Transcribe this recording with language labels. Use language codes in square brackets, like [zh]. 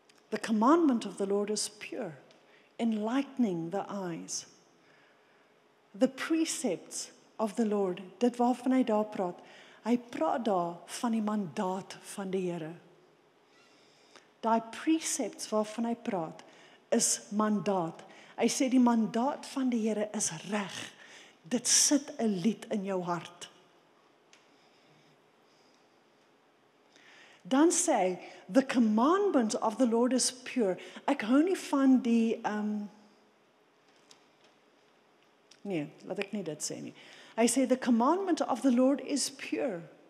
[en] The commandment of the Lord is pure, enlightening the eyes. The precepts of the Lord, [af] dit waarvan hy daar praat, hy praat daar van die mandaat van die Here. Die precepts waarvan hy praat, is mandaat. Hy sê die mandaat van die Here is reg. Dit sit een lied in jou hart. Dan sê hy, [en] the commandment of the Lord is pure. [af] Ek hou nie van die, nee, laat ek nie dit sê nie. Hy sê, [en] the commandment of the Lord is pure.